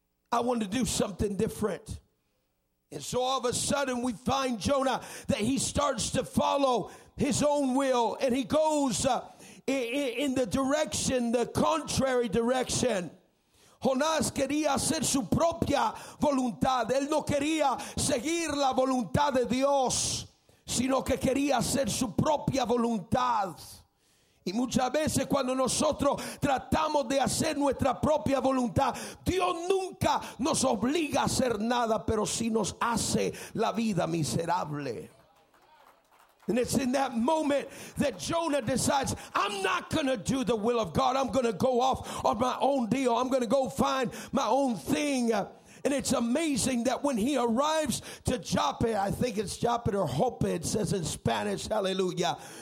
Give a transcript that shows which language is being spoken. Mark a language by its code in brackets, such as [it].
[en] I want to do something different. And so all of a sudden we find Jonah that he starts to follow his own will, and he goes in the direction, the contrary direction. [es] Jonás quería hacer su propia voluntad. Él no quería seguir la voluntad de Dios, sino que quería hacer su propia voluntad. Y muchas veces cuando nosotros tratamos de hacer nuestra propia voluntad, Dios nunca nos obliga a hacer nada, pero sí nos hace la vida miserable. [en] And it's in that moment that Jonah decides, I'm not going to do the will of God. I'm going to go off on my own deal. I'm going to go find my own thing. And it's amazing that when he arrives to Joppa, I think it's Joppa or Hope, it says in Spanish, hallelujah.